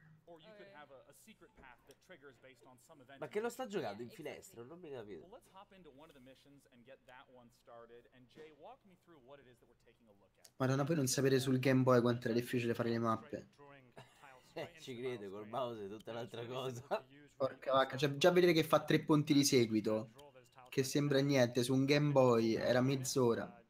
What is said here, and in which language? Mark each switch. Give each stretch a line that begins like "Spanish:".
English: or you could have a secret path that triggers based on some event.
Italian: Ma che lo sta giocando in finestra, non mi capisco.
English: Well, let's hop into one of the missions and get that one started, and Jay, walk me through what it is that we're taking a look at.
Italian: Madonna, poi non sapere sul Game Boy quanto era difficile fare le mappe. Ci credo, col mouse è tutta un'altra cosa. Porca vacca, cioè, già vedere che fa tre punti di seguito, che sembra niente, su un Game Boy era mezz'ora.